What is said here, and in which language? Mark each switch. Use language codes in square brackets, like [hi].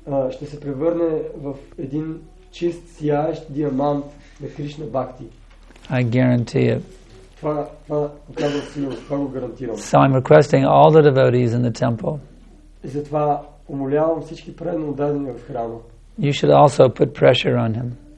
[bg] Ще се превърне в един чист, сияещ диамант на Кришна Бхакти. [en] I guarantee it. [bg] Това казвам сигурно, това го гарантирам. [en] So I'm requesting all the devotees in the temple. [bg] И затова умолявам всички предно отдадени в храма. [en] You should also put pressure on him.